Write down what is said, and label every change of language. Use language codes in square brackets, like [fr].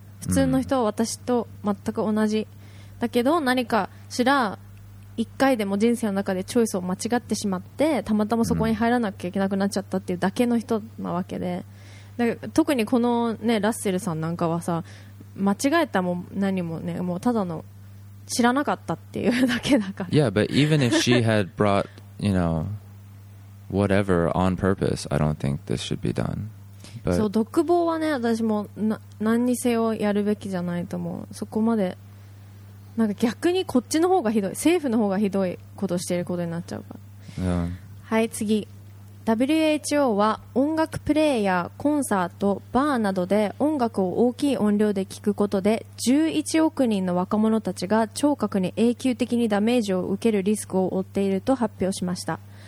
[ja] 普通の人は私と全く同じ。だけど何かしら、一回でも人生の中でチョイスを間違ってしまってたまたまそこに入らなきゃいけなくなっちゃったっていうだけの人なわけで、だから特にこの、ね、ラッセルさんなんかはさ、間違えたも何もね、もうただの知らなかったっていうだけだから。 [en] Yeah, but even if she had brought, you know, whatever on purpose, I don't think this should be done. But [ja] そう、独房はね、私も何にせよやるべきじゃないと思う。そこまでなんか逆にこっちの方がひどい、政府の方がひどいことしていることになっちゃうから。 [en] Yeah. [ja] はい、次。 WHO は音楽プレイやコンサート、バーなどで音楽を大きい音量で聞くことで11億人の若者たちが聴覚に永久的にダメージを受けるリスクを負っていると発表しました。